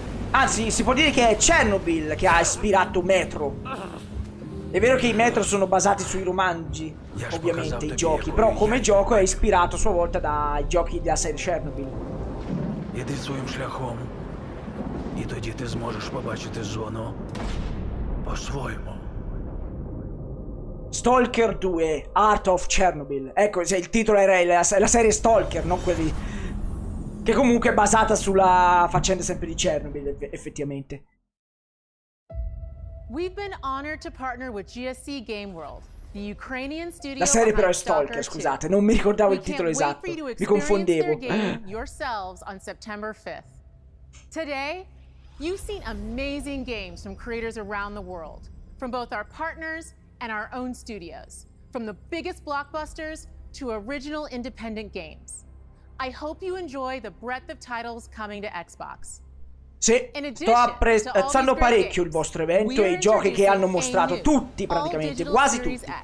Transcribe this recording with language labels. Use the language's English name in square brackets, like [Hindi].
[Italian] Anzi, si può dire che è Chernobyl che ha ispirato Metro. È vero che i Metro sono basati sui romanzi, ovviamente, i giochi, però come gioco è ispirato a sua volta dai giochi della serie Chernobyl. [Ukrainian] Іди своїм шляхом, і тоді ти зможеш побачити зону по-своєму. [English] Stalker 2, Art of Chernobyl. [Italian] Ecco, cioè, il titolo era la serie Stalker, non quelli... Che comunque è basata sulla faccenda sempre di Chernobyl, effettivamente. [English] We've been honored to partner with GSC Game World. The Ukrainian studio. [Italian] La serie però è Stalker, scusate, non mi ricordavo il titolo esatto. Mi confondevo. [English] Yourselves on September 5th. Today, you've seen amazing games from creators around the world, from both our partners and our own studios, from the biggest blockbusters to original independent games. I hope you enjoy the breadth of titles coming to Xbox. [Italian] Sì, sto apprezzando parecchio il vostro evento e i giochi che hanno mostrato, tutti praticamente, quasi tutti.